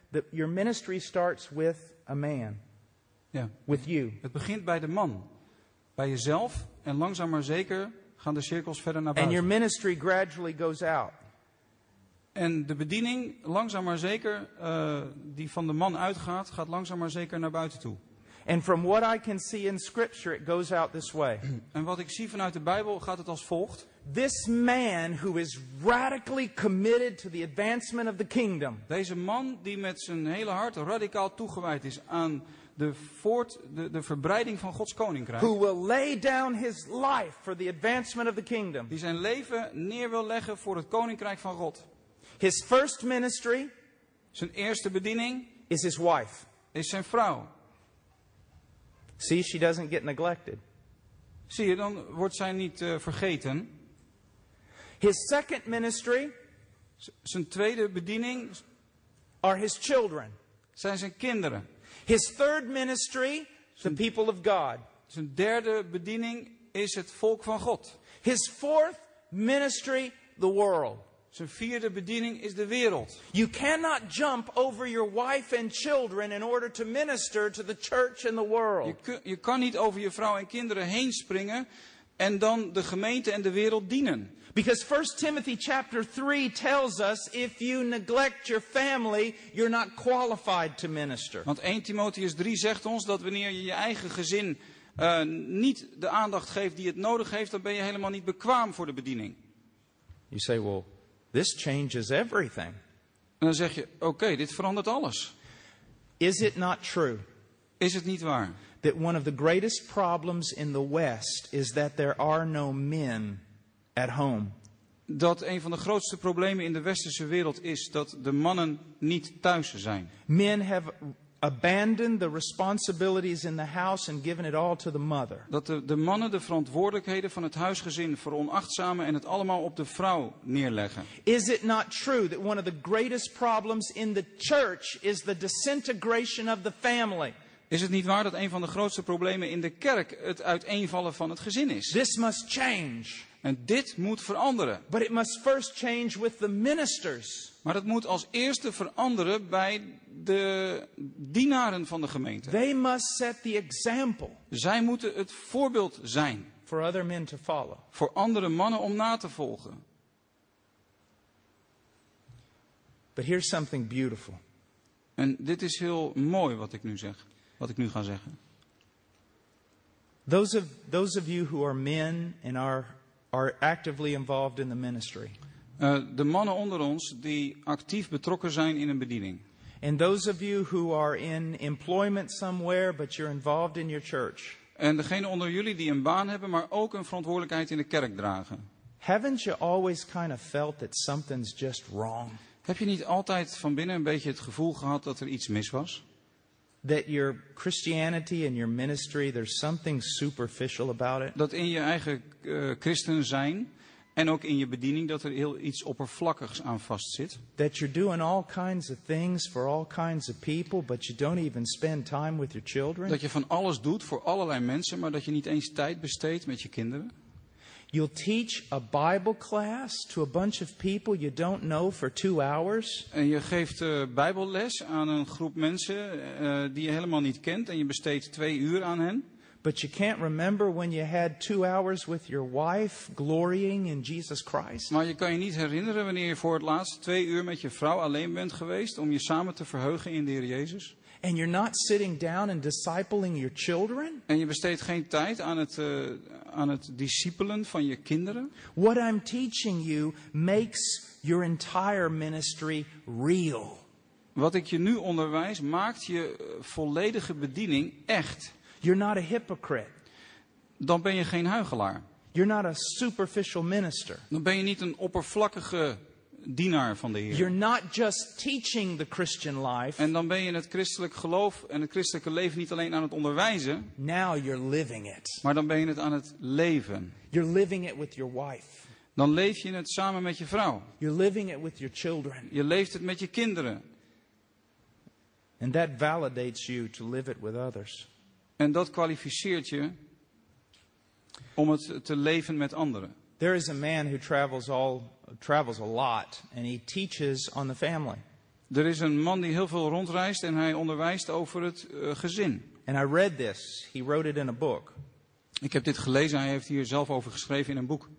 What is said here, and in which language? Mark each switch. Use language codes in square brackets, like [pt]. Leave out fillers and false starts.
[en] Your ministry starts with a man. Yeah. With you. [nl] Het begint bij de man. Bij jezelf en langzaam maar zeker gaan de cirkels verder naar buiten. [en] And your ministry gradually goes out. [nl] En de bediening, langzaam maar zeker, die van de man uitgaat, gaat langzaam maar zeker naar buiten toe. [en] And from what I can see in scripture, it goes out this way. [nl] En wat ik zie vanuit de Bijbel, gaat het als volgt. [en] This man who is radically committed to the advancement of the kingdom. [nl] Deze man die met zijn hele hart radicaal toegewijd is aan de verbreiding van Gods koninkrijk. [en] Who will lay down his life for the advancement of the kingdom. [nl] Die zijn leven neer wil leggen voor het koninkrijk van God. [en] His first ministry, [nl] zijn eerste bediening, [en] is his wife. [nl] Is zijn vrouw. [en] See, she doesn't get neglected. [nl] Zie je, dan wordt zij niet vergeten. [en] His second ministry, [nl] zijn tweede bediening, [en] are his children. [nl] Zijn zijn kinderen. [en] His third ministry, the people of God. [nl] Zijn derde bediening is het volk van God. [en] His fourth ministry, the world. [nl] Zijn vierde bediening is de wereld. [en] You cannot jump over your wife and children in order to minister to the church and the world. [nl] Je kan niet over je vrouw en kinderen heen springen en dan de gemeente en de wereld dienen. [en] Because 1 Timothy chapter 3 tells us if you neglect your family, you're not qualified to minister. [nl] Want 1 Timotheus 3 zegt ons dat wanneer je eigen gezin niet de aandacht geeft die het nodig heeft, dan ben je helemaal niet bekwaam voor de bediening. [en] You say, well, this changes everything. [nl] En dan zeg je, oké, dit verandert alles. [en] Is it not true? [nl] Is het niet waar? [en] That one of the greatest problems in the West is that there are no men at home. [nl] Dat een van de grootste problemen in de westerse wereld is dat de mannen niet thuis zijn. [en] Men have abandoned the responsibilities in the house and given it all to the mother. [nl] Dat de mannen de verantwoordelijkheden van het huisgezin veronachtzamen en het allemaal op de vrouw neerleggen. [en] Is it not true that one of the greatest problems in the church is the disintegration of the family? [nl] Is het niet waar dat een van de grootste problemen in de kerk het uiteenvallen van het gezin is? [en] This must change. [nl] En dit moet veranderen. [en] But it must first change with the ministers. [nl] Maar het moet als eerste veranderen bij de dienaren van de gemeente. [en] They must set the example. [nl] Zij moeten het voorbeeld zijn. [en] For other men to follow. [nl] Voor andere mannen om na te volgen. [en] But here's something beautiful. [nl] En dit is heel mooi wat ik nu zeg. Wat ik nu ga zeggen. [en] Those of you who are men and are actively involved in the ministry. [nl] De mannen onder ons die actief betrokken zijn in een bediening. [en] And those of you who are in employment somewhere but you're involved in your church. [nl] En degene onder jullie die een baan hebben maar ook een verantwoordelijkheid in de kerk dragen. [en] Haven't you always kind of felt that something's just wrong? [nl] Heb je niet altijd van binnen een beetje het gevoel gehad dat er iets mis was? [en] That your Christianity and your ministry, there's something superficial about it. [nl] Dat in je eigen christen zijn en ook in je bediening dat er heel iets oppervlakkigs aan vastzit. [en] That you're doing all kinds of things for all kinds of people, but you don't even spend time with your children. [nl] Dat je van alles doet voor allerlei mensen, maar dat je niet eens tijd besteedt met je kinderen. [en] You'll teach a Bible class to a bunch of people you don't know for 2 hours. [nl] En je geeft Bijbelles aan een groep mensen die je helemaal niet kent en je besteedt 2 uur aan hen. [en] But you can't remember when you had 2 hours with your wife glorying in Jesus Christ. [nl] Maar je kan je niet herinneren wanneer je voor het laatst 2 uur met je vrouw alleen bent geweest om je samen te verheugen in de Heer Jezus. [en] And you're not sitting down and discipling your children? [nl] En je besteedt geen tijd aan het discipelen van je kinderen? [en] What I'm teaching you makes your entire ministry real. [nl] Wat ik je nu onderwijs maakt je volledige bediening echt. [en] You're not a hypocrite. [nl] Dan ben je geen huichelaar. [en] You're not a superficial minister. [nl] Dan ben je niet een oppervlakkige dienaar van de Heer. [en] You're not just teaching the Christian life. [nl] En dan ben je het christelijk geloof en het christelijke leven niet alleen aan het onderwijzen. [en] Now you're living it. [nl] Maar dan ben je het aan het leven. [en] You're living it with your wife. [nl] Dan leef je het samen met je vrouw. [en] You're living it with your children. [nl] Je leeft het met je kinderen. [en] And that validates you to live it with others. [nl] En dat kwalificeert je om het te leven met anderen. [en] There is a man who travels a lot and he teaches on the family. [nl] Er is een man die heel veel rondreist en hij onderwijst over het gezin. [en] And I read this. He wrote it in a book. [nl] Ik heb dit gelezen. Hij heeft hier zelf over geschreven in een boek.